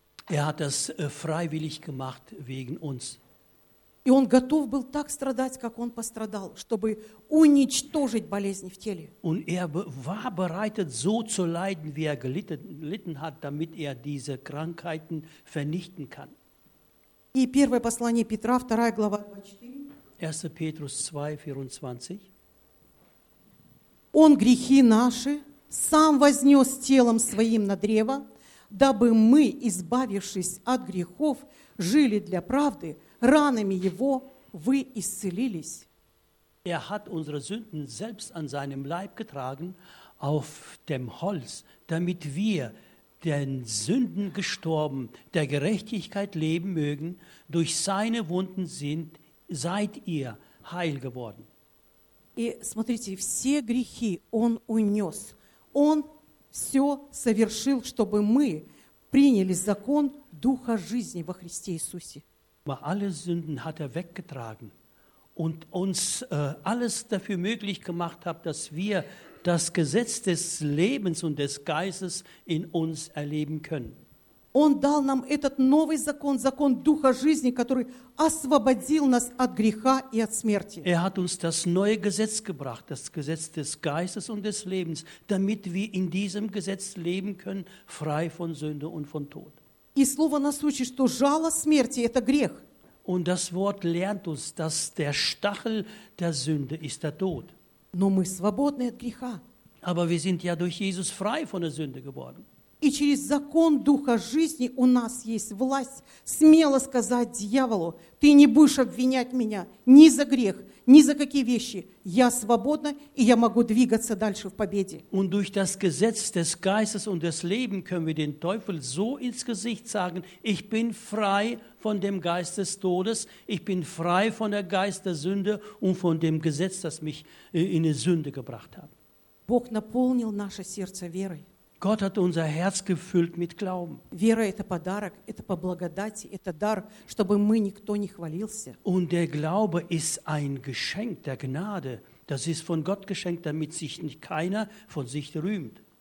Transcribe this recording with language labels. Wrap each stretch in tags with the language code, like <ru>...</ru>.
<de>Hat das freiwillig gemacht wegen uns.</de> <ru>И он готов был так страдать, как он пострадал, чтобы уничтожить болезни в теле.</ru> <de>Und war bereitet, so zu leiden, wie gelitten hat, damit diese Krankheiten vernichten kann.</de> <ru>И первое послание Петра, вторая глава,</ru> <de>24. 1 Петрус 2, 24.</de> <ru>Он грехи наши сам вознес телом своим на древо, дабы мы, избавившись от грехов, жили для правды, ранами его вы исцелились.</ru> <de>Hat unsere Sünden selbst an seinem Leib getragen, auf dem Holz, damit wir den Sünden gestorben, der Gerechtigkeit leben mögen, durch seine Wunden seid ihr heil geworden.</de> <ru>И смотрите, все грехи он унес. Он все совершил, чтобы мы приняли закон Духа жизни во Христе Иисусе.</ru> <de>alle Sünden hat er weggetragen und uns alles dafür möglich gemacht hat, dass wir das Gesetz des Lebens und des Geistes in uns erleben können.</de> <ru>Он дал нам этот новый закон, закон Духа жизни, который освободил нас от греха и от смерти.</ru> <de>Er hat uns das neue Gesetz gebracht, das Gesetz des Geistes und des Lebens, damit wir in diesem Gesetz leben können, frei von Sünde und von Tod.</de> <ru>И слово нас учит, что жало смерти – это грех.</ru> <de>Und das Wort lernt uns, dass der Stachel der Sünde ist der Tod.</de> <ru>Но мы свободны от греха.</ru> <de>Aber wir sind ja durch Jesus frei von der Sünde geworden.</de> <ru>И через закон Духа жизни у нас есть власть смело сказать дьяволу, ты не будешь обвинять меня ни за грех, ни за какие вещи. Я свободна, и я могу двигаться дальше в победе.</ru> <de>Und durch das Gesetz des Geistes und des Lebens können wir den Teufel so ins Gesicht sagen, ich bin frei von dem Geist des Todes, ich bin frei von der Geist der Sünde und von dem Gesetz, das mich in die Sünde gebracht hat.</de> <ru>Бог наполнил наше сердце верой.</ru> <de>Gott hat unser Herz gefüllt mit Glauben.</de> <ru>Вера – это подарок, это по благодати, это дар, чтобы мы никто не хвалился.</ru> <de>Und der Glaube ist ein Geschenk der Gnade. Das ist von Gott geschenkt, damit sich nicht keiner von sich rühmt.</de>